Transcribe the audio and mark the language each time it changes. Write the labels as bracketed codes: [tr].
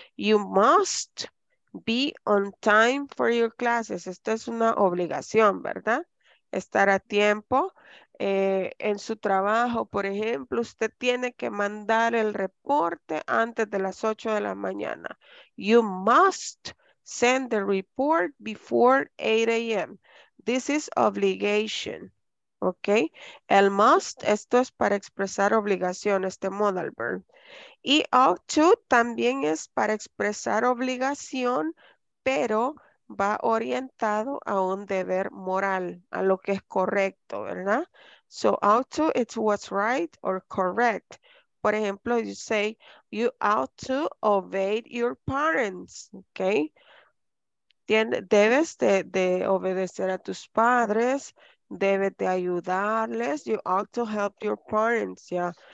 [en] You must be on time for your classes. [es] Esto es una obligación, ¿verdad? Estar a tiempo. En su trabajo, por ejemplo, usted tiene que mandar el reporte antes de las 8 de la mañana. [en] You must send the report before 8 a.m. This is obligation. ¿Ok? [es] El must, esto es para expresar obligación, este modal verb. Y ought to también es para expresar obligación, pero va orientado a un deber moral, a lo que es correcto, ¿verdad? [en] So, ought to, it's what's right or correct. Por ejemplo, you say, you ought to obey your parents, okay? [es] Debes de obedecer a tus padres, debes de ayudarles, [en] you ought to help your parents, yeah.